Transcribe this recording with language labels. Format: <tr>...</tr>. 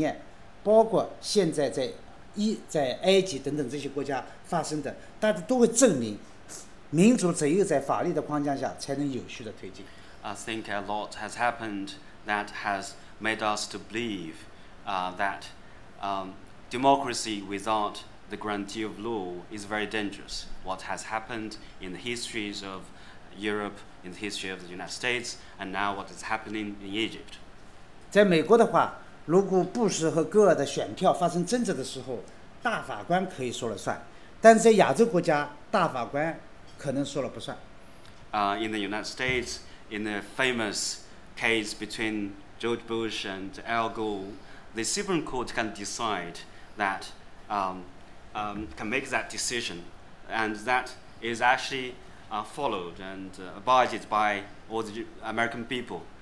<zh>没有法律，包括没有法律意识的民主，将是非常危险的。这个在美国、在欧洲都有很多经验，包括现在在。在埃及等等这些国家发生的，大家都会证明，民主只有在法律的框架下才能有序的推进。</zh> <en>I think a lot has happened that has made us to believe that democracy without the guarantee of law is very dangerous. What has happened in the histories of Europe, in the history of the United States, and now what is happening in Egypt.</en> <zh>在美国的话，如果布什和戈尔的选票发生争执的时候， 大法官可以说了算，但在亚洲国家，大法官可能说了不算。</zh> <en>In the United States, in the famous case between George Bush and Al Gore, the Supreme Court can decide that, can make that decision, and that is actually followed and abided by all the American people.</en>